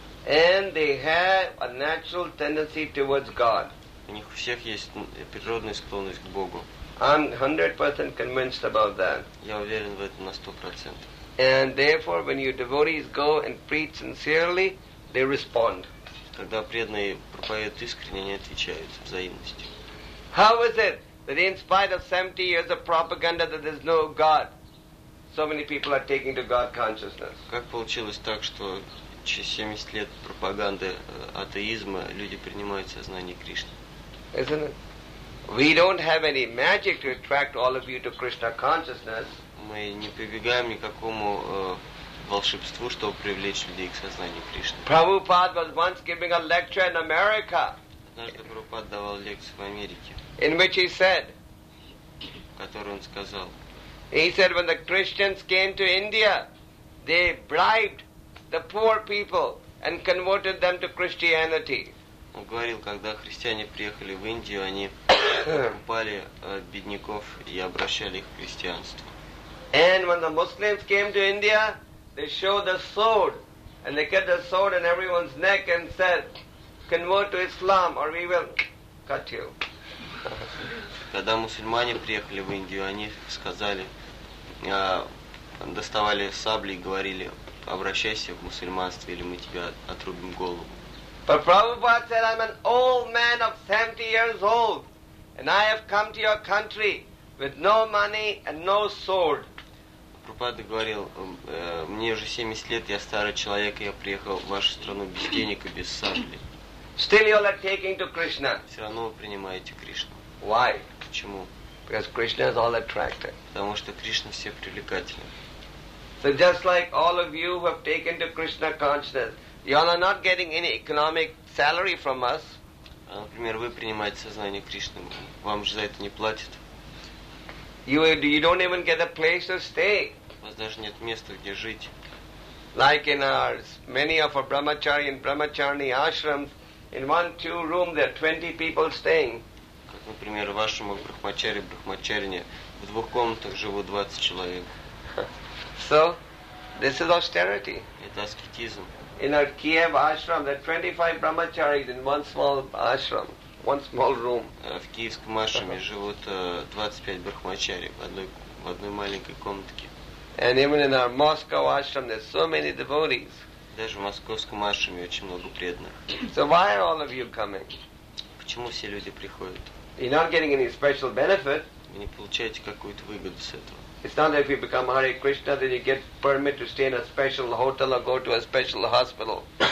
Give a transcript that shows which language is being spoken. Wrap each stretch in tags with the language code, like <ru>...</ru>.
<en>And they have a natural tendency towards God.</en> <ru>У них у всех есть природная склонность к Богу.</ru> <en>I'm 100% convinced about that.</en> <ru>Я уверен в этом на 100%.</ru> <en>And therefore, when your devotees go and preach sincerely, they respond.</en> <ru>Когда преданные проповедуют искренне, они отвечают взаимностью.</ru> <en>How is it that in spite of 70 years of propaganda that there's no God, so many people are taking to God consciousness?</en> <ru>Как получилось так, что 70 лет пропаганды атеизма люди принимают сознание Кришны.</ru> <en>Isn't it? We don't have any magic to attract all of you to Krishna consciousness.</en> <ru>Мы не прибегаем никакому волшебству, чтобы привлечь людей к сознанию Кришны.</ru> <en>Prabhupada was once giving a lecture in America.</en> <ru>Однажды Прабхупада давал лекцию в Америке.</ru> <en>In which he said.</en> <ru>Которую он сказал.</ru> <en>He said when the Christians came to India, they bribed the poor people and converted them to Christianity.</en> <ru>Он говорил, когда христиане приехали в Индию, они покупали бедняков и обращали их к христианству.</ru> <en>And when the Muslims came to India, they showed the sword and they kept the sword in everyone's neck and said, convert to Islam or we will cut you.</en> <ru>Когда мусульмане приехали в Индию, они сказали, доставали сабли и говорили, обращайся в мусульманство, или мы тебя отрубим голову.</ru> <en>But Prabhupada said, I'm an old man of 70 years old, and I have come to your country with no money and no sword.</en> <ru>Прабхупада говорил, мне уже 70 лет, я старый человек, и я приехал в вашу страну без денег и без сабли.</ru> <en>Still you are taking to Krishna.</en> <ru>Все равно вы принимаете Кришну.</ru> <en>Why?</en> <ru>Почему?</ru> <en>Because Krishna is all attractive.</en> <ru>Потому что Кришна все привлекательны.</ru> <en>So just like all of you who have taken to Krishna consciousness, you all are not getting any economic salary from us.</en> <ru>Например, вы принимаете сознание Кришны, вам же за это не платят.</ru> <en>You don't even get a place to stay.</en> <ru>У вас даже нет места, где жить.</ru> <en>Like in ours, many of our brahmachari and brahmacharini ashrams, in one, two room, there are 20 people staying.</en> <ru>Как, например, в вашем брахмачаре, брахмачарине, в двух комнатах живут 20 человек.</ru> <en>So, this is austerity.</en> <ru>Это аскетизм.</ru> <en>In our Kiev ashram, there are 25 brahmacharis in one small ashram, one small room.</en> <ru>В киевском ашраме живут 25 брахмачари в одной маленькой комнатке.</ru> <en>And even in our Moscow ashram, there are so many devotees.</en> <ru>Даже в московском ашраме очень много преданных.</ru> <en>So why are all of you coming?</en> <ru>Почему все люди приходят?</ru> <en>You're not getting any special benefit.</en> <ru>Вы не получаете какую-то выгоду с этого.</ru> <en>It's not that if you become Hare Krishna, then you get permit to stay in a special hotel or go to a special hospital.</en>